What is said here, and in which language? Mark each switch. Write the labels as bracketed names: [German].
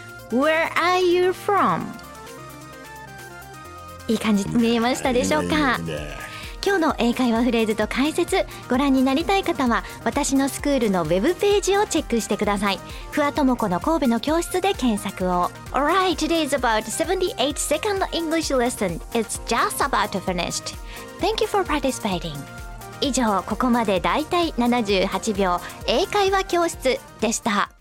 [English] Where are you from? [Japanese] いい感じ見えましたでしょうか？いいね。今日の英会話フレーズと解説、ご覧になりたい方は私のスクールのウェブページをチェックしてください。ふわともこの神戸の教室で検索を。 [English] Alright, today is about 78 second English lesson. It's just about finished. Thank you for participating. [Japanese] 以上、ここまでだいたい78秒英会話教室でした。